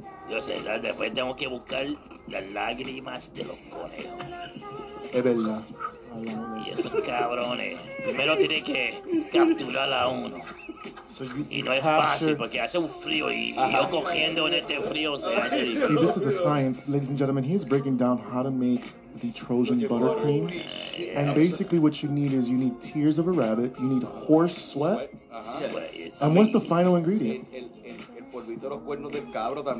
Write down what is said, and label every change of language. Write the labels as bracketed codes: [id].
[es] Yo sé, después tengo que buscar las lágrimas de los conejos. Es verdad. Y esos cabrones. Primero tienen que capturar a uno. Y no es fácil porque hace un frío y yo cogiendo en este frío se hace difícil. [en] See, this is a science, ladies and gentlemen. He's breaking down how to make the Trojan butter cream. And basically what you need is you need tears of a rabbit, you need horse sweat. And what's the final ingredient? [es] El polvito de los cuernos del cabro también.